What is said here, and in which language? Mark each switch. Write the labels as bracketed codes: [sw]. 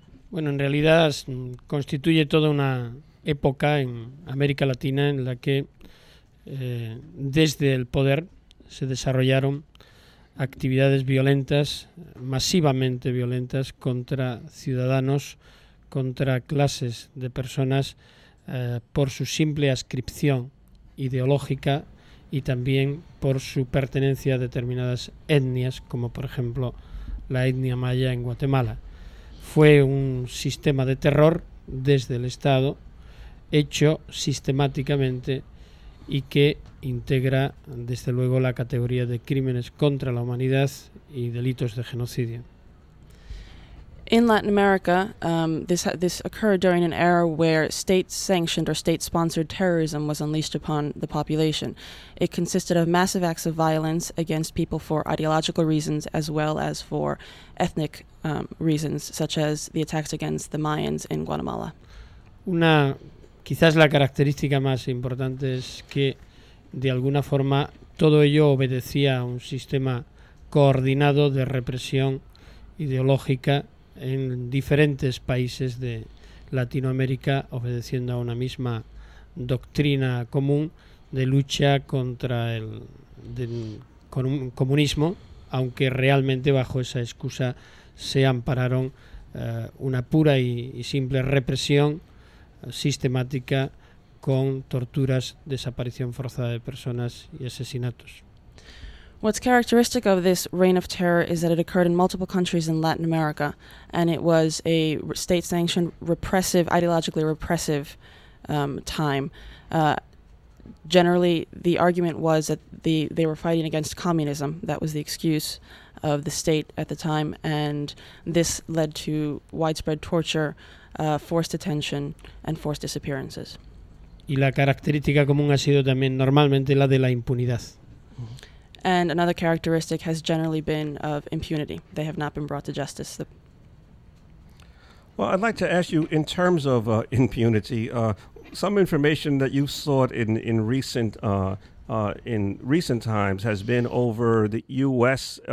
[es] Bueno, en realidad constituye toda una época en América Latina en la que desde el poder se desarrollaron actividades violentas, masivamente violentas, contra ciudadanos, contra clases de personas, por su simple adscripción ideológica y también por su pertenencia a determinadas etnias, como por ejemplo la etnia maya en Guatemala. Fue un sistema de terror desde el Estado, hecho sistemáticamente, y que integra, desde luego, la categoría de crímenes contra la humanidad y delitos de genocidio. [en] In Latin America, this occurred during an era where state-sanctioned or state-sponsored terrorism was unleashed upon the population. It consisted of massive acts of violence against people for ideological reasons as well as for ethnic reasons, such as the attacks against the Mayans in Guatemala. [es] Quizás la característica más importante es que, de alguna forma, todo ello obedecía a un sistema coordinado de represión ideológica en diferentes países de Latinoamérica, obedeciendo a una misma doctrina común de lucha contra el comunismo, aunque realmente bajo esa excusa se ampararon una pura y simple represión sistemática con torturas, desaparición forzada de personas y asesinatos. [en] What's characteristic of this reign of terror is that it occurred in multiple countries in Latin America, and it was a state-sanctioned, repressive, ideologically repressive time. Generally, the argument was that they were fighting against communism. That was the excuse of the state at the time, and this led to widespread torture, forced detention, and forced disappearances. [es] Y la característica común ha sido también normalmente la de la impunidad. [en] And another characteristic has generally been of impunity. They have not been brought to justice. Well, I'd like to ask you, in terms of impunity, some information that you've sought in recent times has been over the U.S.